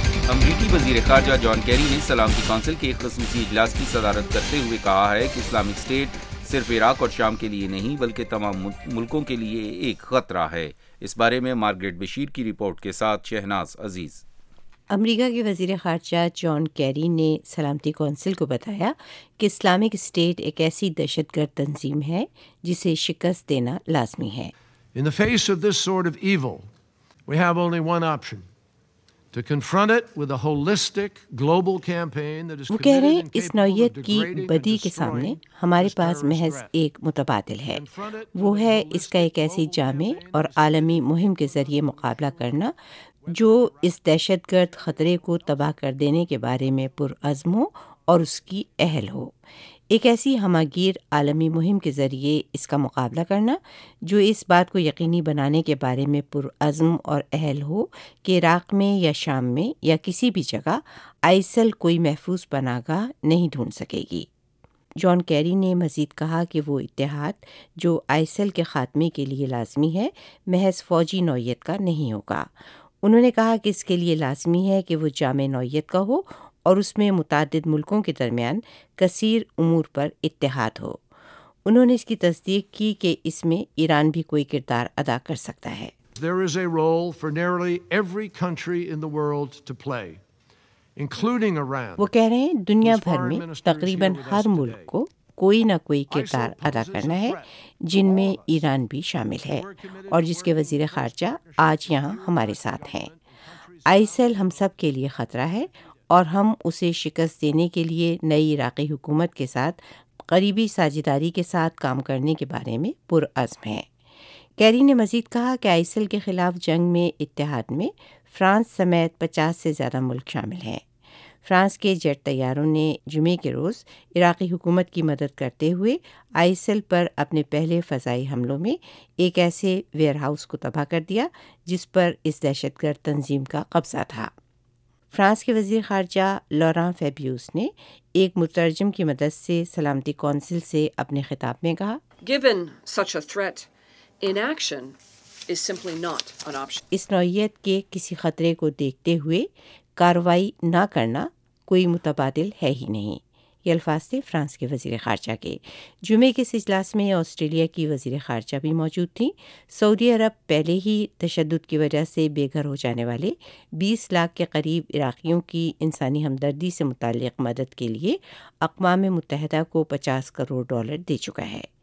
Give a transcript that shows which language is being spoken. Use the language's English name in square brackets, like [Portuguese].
[Urdu] امریکی وزیر خارجہ جان کیری نے سلامتی کونسل کے ایک خصوصی اجلاس کی صدارت کرتے ہوئے کہا ہے کہ اسلامک اسٹیٹ صرف عراق اور شام کے لیے نہیں بلکہ تمام ملکوں کے لیے ایک خطرہ ہے۔ اس بارے میں مارگریٹ بشیر کی رپورٹ کے ساتھ شہناز عزیز۔ امریکہ کے وزیر خارجہ جان کیری نے سلامتی کونسل کو بتایا کہ اسلامک اسٹیٹ ایک ایسی دہشت گرد تنظیم ہے جسے شکست دینا لازمی ہے. [English] In the face of this sort of evil, we have only one option. To confront it with a holistic global campaign that is committed and capable of degrading and destroying terrorist threats. [Urdu] وہ کہہ رہے ہیں اس نوعیت کی بدی کے سامنے ہمارے پاس محض ایک متبادل ہے, وہ ہے اس کا ایک ایسی جامع اور عالمی مہم کے ذریعے مقابلہ کرنا جو اس دہشت گرد خطرے کو تباہ کر دینے کے بارے میں پرعزم ہو اور اس کی اہل ہو. ایک ایسی ہماگیر عالمی مہم کے ذریعے اس کا مقابلہ کرنا جو اس بات کو یقینی بنانے کے بارے میں پرعزم اور اہل ہو کہ عراق میں یا شام میں یا کسی بھی جگہ آئسل کوئی محفوظ پناہ گاہ نہیں ڈھونڈ سکے گی. جان کیری نے مزید کہا کہ وہ اتحاد جو آئسل کے خاتمے کے لیے لازمی ہے محض فوجی نوعیت کا نہیں ہوگا. انہوں نے کہا کہ اس کے لیے لازمی ہے کہ وہ جامع نوعیت کا ہو اور اس میں متعدد ملکوں کے درمیان کثیر امور پر اتحاد ہو. انہوں نے اس کی تصدیق کی کہ اس میں ایران بھی کوئی کردار ادا کر سکتا ہے. [English] There is a role for nearly every country in the world to play, including Iran. [Urdu] وہ کہہ رہے ہیں دنیا بھر میں تقریباً ہر ملک کو کوئی نہ کوئی کردار ادا کرنا ہے جن میں ایران بھی شامل ہے اور جس کے وزیر خارجہ آج یہاں ہمارے ساتھ ہیں. آئسل ہم سب کے لیے خطرہ ہے اور ہم اسے شکست دینے کے لیے نئی عراقی حکومت کے ساتھ قریبی ساجداری کے ساتھ کام کرنے کے بارے میں پرعزم ہیں. کیری نے مزید کہا کہ آئسل کے خلاف جنگ میں اتحاد میں فرانس سمیت 50 سے زیادہ ملک شامل ہیں. فرانس کے جیٹ طیاروں نے جمعے کے روز عراقی حکومت کی مدد کرتے ہوئے آئسل پر اپنے پہلے فضائی حملوں میں ایک ایسے ویئر ہاؤس کو تباہ کر دیا جس پر اس دہشت گرد تنظیم کا قبضہ تھا. فرانس کے وزیر خارجہ لوران فیبیوس نے ایک مترجم کی مدد سے سلامتی کونسل سے اپنے خطاب میں کہا, [English] Given such a threat, inaction is simply not an option. [Urdu] اس نوعیت کے کسی خطرے کو دیکھتے ہوئے کاروائی نہ کرنا کوئی متبادل ہے ہی نہیں. یہ الفاظ تھے فرانس کے وزیر خارجہ کے. جمعے کے اس اجلاس میں آسٹریلیا کی وزیر خارجہ بھی موجود تھیں. سعودی عرب پہلے ہی تشدد کی وجہ سے بے گھر ہو جانے والے 20 لاکھ کے قریب عراقیوں کی انسانی ہمدردی سے متعلق مدد کے لیے اقوام متحدہ کو 50 کروڑ ڈالر دے چکا ہے.